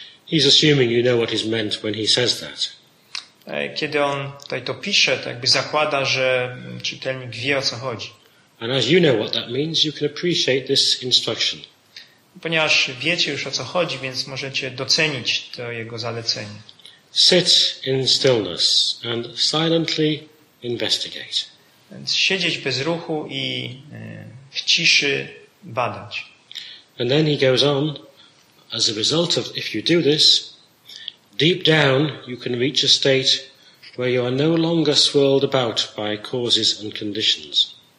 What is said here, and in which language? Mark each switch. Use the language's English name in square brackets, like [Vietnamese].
[English] He's assuming you know what he's meant when he says that. [Polish] Kiedy on tutaj to pisze, to jakby zakłada, że czytelnik wie, o co chodzi. [English] And as you know what that means, you can appreciate this instruction. [Polish] Ponieważ wiecie już, o co chodzi, więc możecie docenić to jego zalecenie. [English] Sit in stillness and silently investigate. [Polish] Więc siedzieć bez ruchu i w ciszy badać. [English] And then he goes on, as a result of if you do this, deep down you can reach a state where you are no longer swirled about by causes and conditions.